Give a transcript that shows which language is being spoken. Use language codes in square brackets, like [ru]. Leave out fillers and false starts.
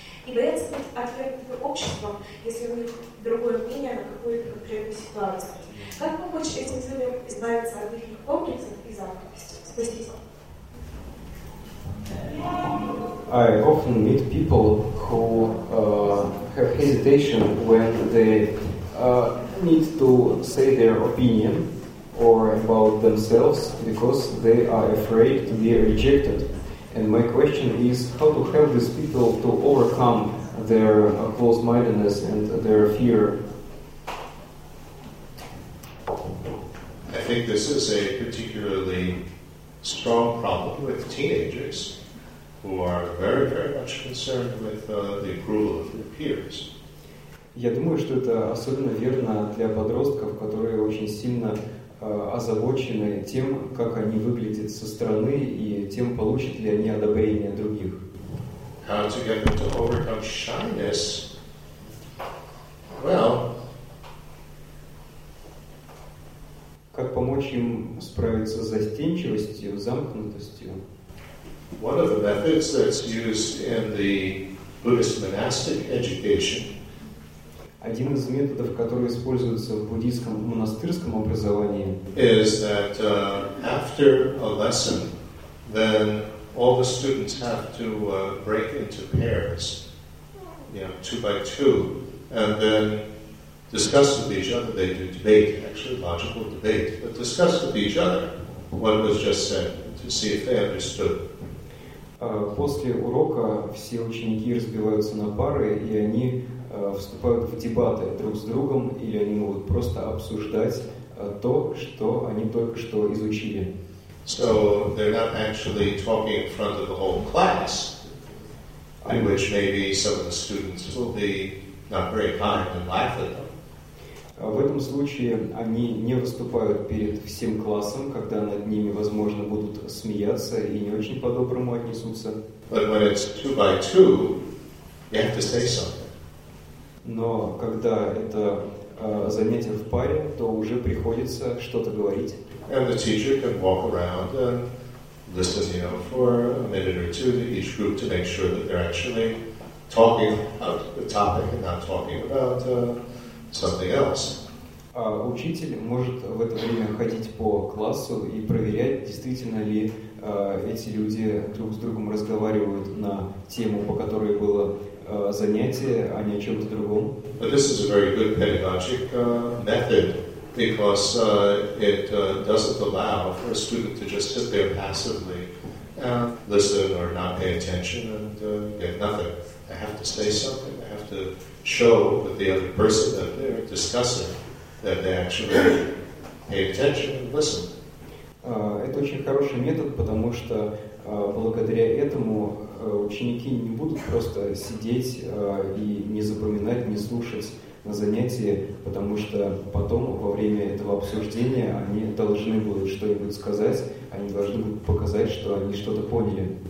[ru] и боятся быть отвергнутым обществом, если у них другое мнение на какую-то конкретную ситуацию. Как помочь этим людям избавиться от их комплексов и зависти? Спасибо. [en] I often meet people who have hesitation when they need to say their opinion or about themselves because they are afraid to be rejected. And my question is how to help these people to overcome their closed-mindedness and their fear. I think this is a particularly strong problem with teenagers who are very, very much concerned with the approval of their peers. [ru] Я думаю, что это особенно верно для подростков, которые очень сильно озабочены тем, как они выглядят со стороны и тем, получат ли они одобрение других. [en] How to get them to overcome shyness? Well, [ru] как помочь им справиться с застенчивостью, замкнутостью? [en] One of the methods that's used in the Buddhist monastic education. [ru] Один из методов, который используется в буддийском монастырском образовании, [en] is that after a lesson, then all the students have to break into pairs, you know, two by two, and then discuss with each other. They do debate, actually logical debate, but discuss with each other what was just said to see if they understood. [ru] После урока все ученики разбиваются на пары, и они вступают в дебаты друг с другом, или они могут просто обсуждать то, что они только что изучили. [en] So they're not actually talking in front of the whole class, in which maybe some of the students will be not very kind and laugh at them. [ru] В этом случае они не выступают перед всем классом, когда над ними, возможно, будут смеяться и не очень по-доброму отнесутся. [en] But when it's two by two, you have to say something. [ru] Но когда это занятие в паре, то уже приходится что-то говорить. [en] And the teacher can walk around and listen, you know, for a minute or two to each group to make sure that they're actually talking about the topic and not talking about something else. [ru] Учитель может в это время ходить по классу и проверять, действительно ли эти люди друг с другом разговаривают на тему, по которой было занятие, а не о чем-то другом. [en] But this is a very good pedagogic method because it doesn't allow for a student to just sit there passively and listen or not pay attention and get nothing. They have to say something. They have to show with the other person that they're discussing that they actually pay attention and listen. [ru] Это очень хороший метод, потому что благодаря этому ученики не будут просто сидеть и не запоминать, не слушать на занятии, потому что потом, во время этого обсуждения, они должны будут что-нибудь сказать, они должны будут показать, что они что-то поняли.